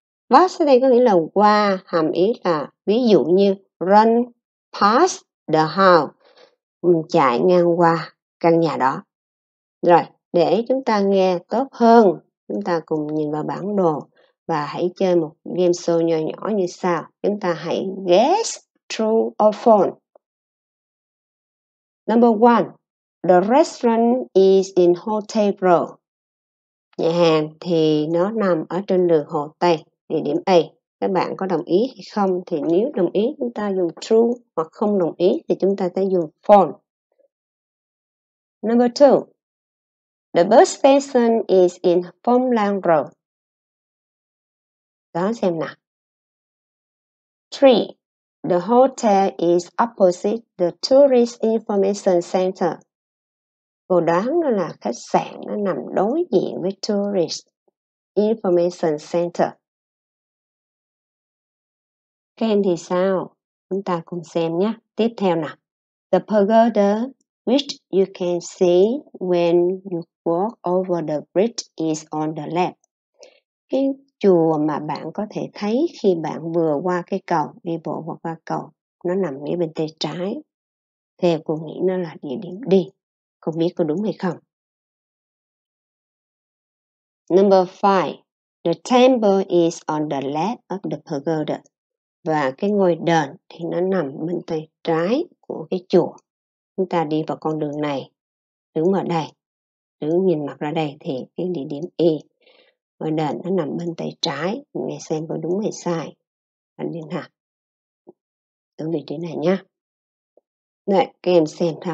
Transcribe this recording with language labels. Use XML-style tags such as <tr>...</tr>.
<vi>Pass ở đây có nghĩa là qua, hàm ý là ví dụ như</vi> <en>run past the house.</en> <vi>Mình chạy ngang qua căn nhà đó. Rồi, để chúng ta nghe tốt hơn, chúng ta cùng nhìn vào bản đồ. và hãy chơi một game show nhỏ nhỏ như sau. Chúng ta hãy</vi> <en>guess true or false. Number one, the restaurant is in Hotel Row.</en> <vi>Nhà hàng thì nó nằm ở trên đường Hồ Tây, địa điểm A. Các bạn có đồng ý hay không? Thì nếu đồng ý chúng ta dùng true, hoặc không đồng ý thì chúng ta sẽ dùng false.</vi> <en>Number two, the bus station is in Phong Lan Road.</en> <vi>Đó xem nào.</vi> <en>Three, the hotel is opposite the tourist information center.</en> <vi>Cô đoán đó là khách sạn nó nằm đối diện với</vi> <en>tourist information center.</en> <vi>Khen thì sao? Chúng ta cùng xem nhé. Tiếp theo nào.</vi> <en>The pagoda, which you can see when you walk over the bridge, is on the left.</en> <vi>Cái chùa mà bạn có thể thấy khi bạn vừa qua cái cầu, đi bộ hoặc qua cầu, nó nằm ngay bên tay trái. Thì cô nghĩ nó là địa điểm đi. Không biết có đúng hay không?</vi> <en>Number 5. The temple is on the left of the pagoda.</en> <vi>Và cái ngôi đền thì nó nằm bên tay trái của cái chùa. Chúng ta đi vào con đường này, đứng ở đây, đứng nhìn mặt ra đây thì cái địa điểm E. Ngôi đền nó nằm bên tay trái, nghe xem có đúng hay sai. Anh Liên Hà, đứng vị trí này nhé. Đấy, các em xem thôi.</vi>